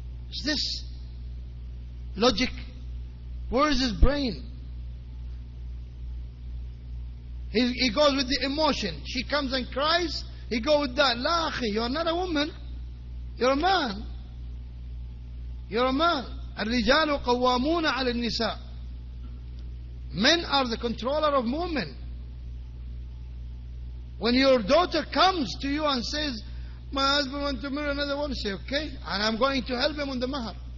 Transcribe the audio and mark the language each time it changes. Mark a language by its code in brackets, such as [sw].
[en] Is this logic? Where is his brain? He goes with the emotion. She comes and cries. He goes with that. [ar] La akhi, [en] you're not a woman. You're a man. You're a man. [ar] الرجال قوامون على النساء. [en] Men are the controller of women. When your daughter comes to you and says, my husband wants to marry another one, say, okay, and I'm going to help him on the mahar.